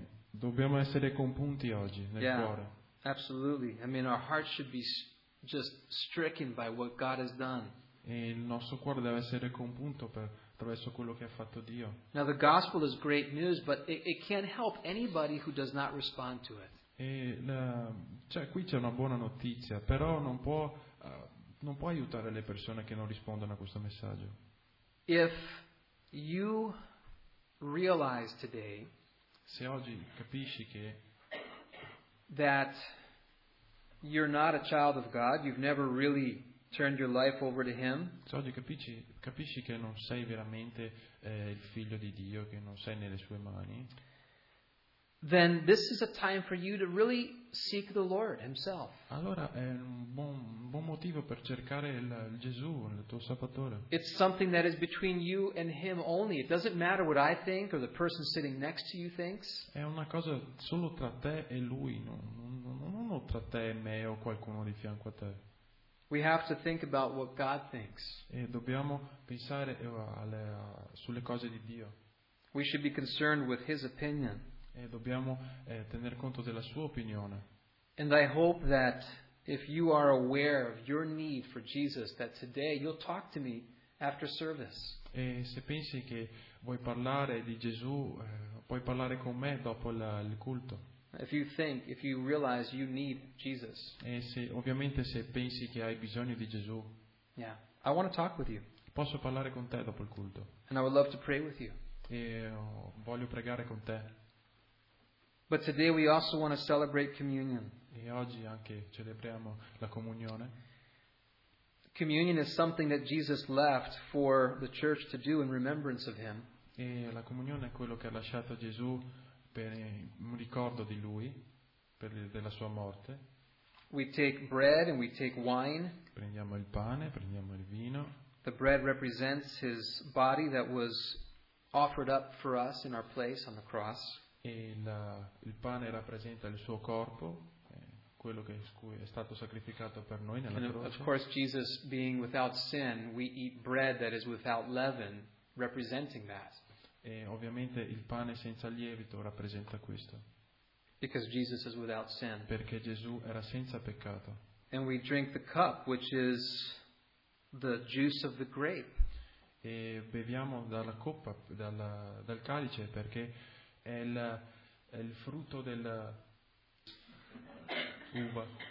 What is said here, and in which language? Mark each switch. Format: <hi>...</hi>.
<it>Dobbiamo essere compunti oggi nel cuore.</it> <en>Absolutely. I mean, our heart should be just stricken by what God has done.</en> <it>E il nostro cuore deve essere compunto per attraverso quello che ha fatto Dio.</it> <en>Now the gospel is great news, but it can't help anybody who does not respond to it.</en> <it>Qui c'è una buona notizia, però non può aiutare le persone che non rispondono a questo messaggio.</it> <en>If you realize today,</en> <it>se oggi capisci che</it> <en>that you're not a child of God, you've never really turned your life over to Him.</en> <it>Se oggi capisci che non sei veramente il figlio di Dio, che non sei nelle sue mani.</it> <en>Then this is a time for you to really seek the Lord Himself.</en> <it>Allora è un buon motivo per cercare il Gesù, il tuo Salvatore.</it> <en>It's something that is between you and Him only. It doesn't matter what I think or the person sitting next to you thinks.</en> <it>È una cosa solo tra te e Lui, non tra te e me o qualcuno di fianco a te.</it> <en>We have to think about what God thinks.</en> <it>E dobbiamo pensare sulle cose di Dio.</it> <en>We should be concerned with His opinion.</en> <it>E dobbiamo tener conto della sua opinione.</it> <en>And I hope that if you are aware of your need for Jesus, that today you'll talk to me after service.</en> <it>E se pensi che vuoi parlare di Gesù, puoi parlare con me dopo il culto.</it> <en>If you realize you need Jesus.</en> <it>E se ovviamente se pensi che hai bisogno di Gesù.</it> <en>Yeah, I want to talk with you.</en> <it>Posso parlare con te dopo il culto.</it> <en>And I would love to pray with you.</en> <it>E voglio pregare con te.</it> <en>But today we also want to celebrate communion.</en> <it>E oggi anche celebriamo la comunione.</it> <en>Communion is something that Jesus left for the church to do in remembrance of Him.</en> <it>E la comunione è quello che ha lasciato Gesù per un ricordo di Lui, della sua morte.</it> <en>We take bread and we take wine.</en> <it>Prendiamo il pane, prendiamo il vino.</it> <en>The bread represents His body that was offered up for us in our place on the cross.</en> <it>E il pane rappresenta il suo corpo quello che è stato sacrificato per noi nella</it> <en>and</en> <it>croce.</it> <en>Of course, Jesus being without sin, we eat bread that is without leaven, representing that.</en> <it>E ovviamente il pane senza lievito rappresenta questo.</it> <en>Because Jesus is without sin.</en> <it>Perché Gesù era senza peccato.</it> <en>And we drink the cup, which is the juice of the grape.</en> <it>E beviamo dalla coppa, dal calice, perché è il frutto della uva.</it>